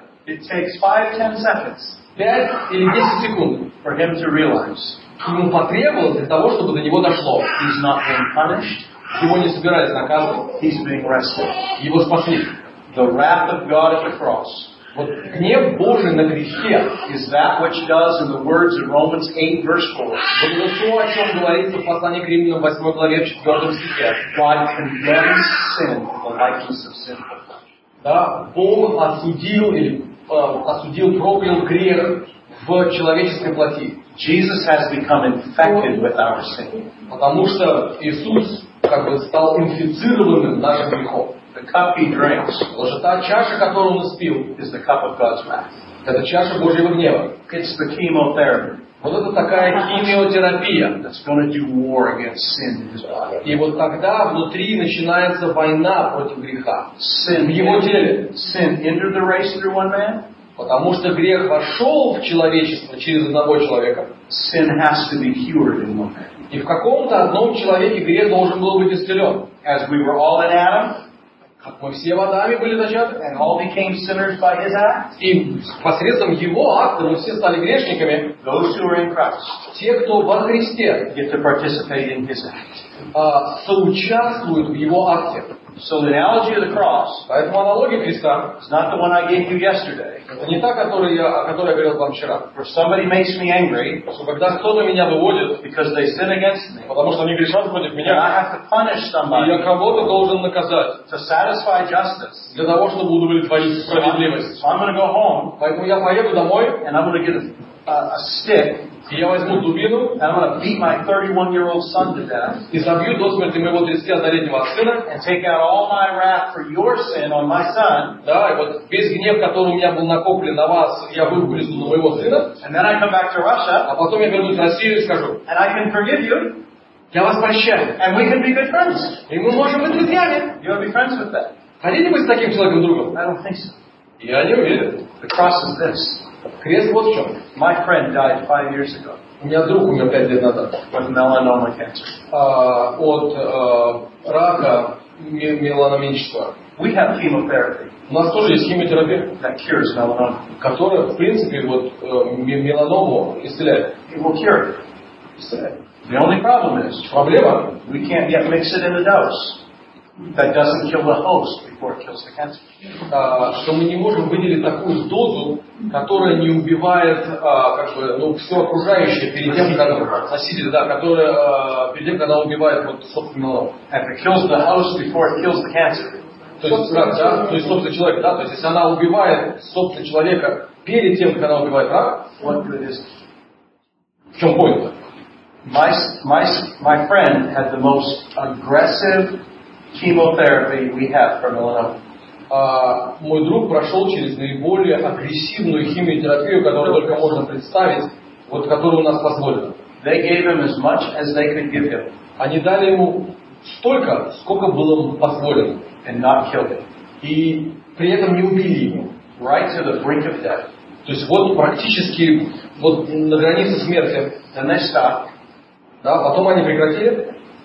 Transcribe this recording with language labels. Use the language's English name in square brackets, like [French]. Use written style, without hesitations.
[English] It takes 5-10 seconds. [Russian] 5-10 секунд. [English] For him to realize. [Russian] Ему потребовалось для того, чтобы до него дошло. [English] He's not being punished. [Russian] Его не собирается наказывать. [English] He's being rescued. [Russian] Его спасли. [English] The wrath of God at the cross. [Russian] Вот гнев Божий на кресте. [English] Is that which does in the words of Romans 8 verse 4? [Russian] Вот это то, о чем говорится в послании к Римлянам 8 главе 4 стихе. [English] God condemns sin, the likeness of sin. [Russian] Да, Бог осудил или осудил, проклял грех в человеческой плоти. [English] Jesus has become infected with our sin. [Russian] Потому что Иисус как бы стал инфицированным нашим грехом. [English] The cup he drinks, [Russian] уже та чаша, которую он испил, [English] is the cup of God's wrath. [Russian] Это чаша Божьего гнева. [English] It's the chemotherapy. [Russian] Вот это такая химиотерапия. [English] That's going to do war against sin in his body. [Russian] И вот тогда внутри начинается война против греха. [English] Sin [Russian] в его теле. [English] Sin entered the race through one man. [Russian] Потому что грех вошел в человечество через одного человека. [English] Sin has to be cured in one man. [Russian] И в каком-то одном человеке грех должен был быть исцелен. [English] As we were all in Adam. [Russian] Мы все в Адаме были зачаты. [English] And all became sinners by his act. [Russian] И посредством его акта мы все стали грешниками. [English] Those who are in Christ. [Russian] Те, кто во Христе. [English] Get to participate in his act. [Russian] Соучаствуют в его акте. [English] So the analogy of the cross. [Russian] Поэтому аналогия Христа. [English] Is not the one I gave you yesterday. [Russian] Это не та, о которой я говорил вам вчера. [English] For somebody makes me angry. [Russian] Что когда кто-то меня выводит. [English] Because they sin against me. [Russian] Потому что они грешат против меня. [English] I have to punish somebody. [Russian] И я кого-то должен наказать. [English] To satisfy justice. [Russian] Для того, чтобы удовлетворить справедливость. [English] So I'm going to go home. [Russian] Поэтому я поеду домой. [English] And I'm going to get a stick. [Russian] И я возьму дубину, [English] and I'm going to beat my 31-year-old son to death. [Russian] И забью до смерти моего 31-летнего сына. [English] And take out all my wrath for your sin on my son. [Russian] Да, и вот весь гнев, который у меня был накоплен на вас, я выплесну на моего сына. [English] And then I come back to Russia. [Russian] А потом я вернусь в Россию и скажу. [English] And I can forgive you. [Russian] Я вас прощаю. [English] And we can be good friends. [Russian] И мы можем быть друзьями. [English] You'll be friends with that. [Russian] Хотите быть с таким человеком другом? [English] I don't think so. [Russian] Я не уверен. [English] The cross is this. [Russian] Крест вот в чем. [English] My friend died 5 years ago. [Russian] У меня друг умер 5 лет назад. [English] With melanoma cancer. [Russian] От рака меланомического. [English] We have chemotherapy. [Russian] У нас тоже есть химиотерапия. [English] That cures melanoma. [Russian] Которая, в принципе, вот меланому исцеляет. [English] It will cure it. [Russian] Исцеляет. [English] The only problem is. [Russian] Проблема. [English] We can't yet mix it in the dose. That doesn't kill the host before it kills the cancer. [Russian] Что мы не можем выделить такую дозу, которая не убивает как бы, ну, все окружающее перед тем, как она насилие, да, которая перед тем, как она убивает вот, собственно. [English] And it kills the host before it kills the cancer. [Russian] То есть, рак, да? То есть собственно человек, да, то есть если она убивает собственно человека перед тем, как она убивает рак, [English] what good is it? [Russian] В чем point? [English] My friend had the most aggressive chemotherapy we have for melanoma. [Russian] Мой друг прошел через наиболее агрессивную химиотерапию, которую только можно представить, вот которую у нас позволено. [English] They gave him as much as they could give him. [Russian] Они дали ему столько, сколько было позволено. [English] And not killed him. [Russian] И при этом не убили его. [English] Right to the brink of death. [Russian] То есть вот практически вот на границе смерти. [English] And they stopped. [Russian] Да, потом они прекратили.